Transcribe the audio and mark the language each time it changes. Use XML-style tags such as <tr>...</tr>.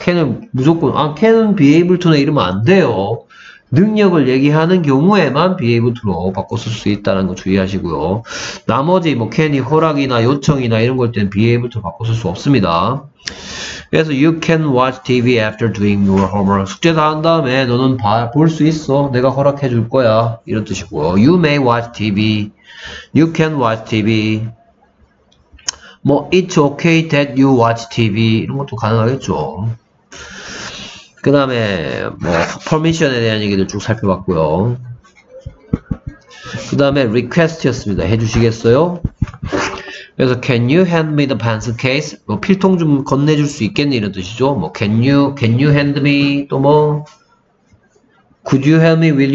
<ko>can은 무조건 아 can은 be able to는 이러면 안 돼요. 능력을 얘기하는 경우에만 be able to로 바꿔 쓸수 있다는 거 주의하시고요. 나머지 뭐 can이 허락이나 요청이나 이런 걸 때는 be able to 바꿔 쓸수 없습니다. 그래서</ko> <en>you can watch TV after doing your homework.</en> <ko>숙제 다한 다음에 너는 볼수 있어. 내가 허락해 줄 거야. 이런 뜻이고요.</ko> <en>you may watch TV. you can watch TV. 뭐 it's okay that you watch TV 이런 것도 가능하겠죠.</en> <ko>그 다음에 뭐 퍼미션에 대한 얘기도 쭉 살펴봤고요. 그 다음에 request였습니다. 해주시겠어요? 그래서</ko> <en>can you hand me the pencil case?</en> <ko>뭐 필통 좀 건네줄 수 있겠니 이런 뜻이죠.</ko> <en>뭐 can you hand me 또뭐 could you help me?</en>